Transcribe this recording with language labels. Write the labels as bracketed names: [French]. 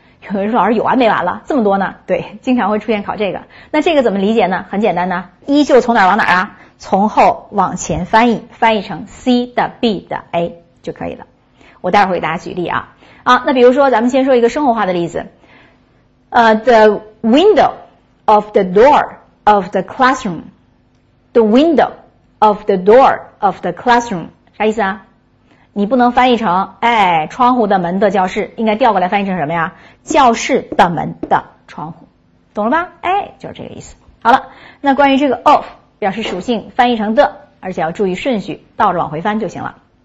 [Chinese] 有人说老师有完没完了这么多呢？对，经常会出现考这个。那这个怎么理解呢？很简单呢，依旧从哪往哪啊，从后往前翻译，翻译成 C 的 B 的 A 就可以了。我待会儿会给大家举例啊。啊，那比如说咱们先说一个生活化的例子。 [English] The window of the door of the classroom. The window of the door of the classroom. [Chinese] 啥意思啊？你不能翻译成哎，窗户的门的教室，应该调过来翻译成什么呀？教室的门的窗户，懂了吧？哎，就是这个意思。好了，那关于这个 of 表示属性，翻译成的，而且要注意顺序，倒着往回翻就行了。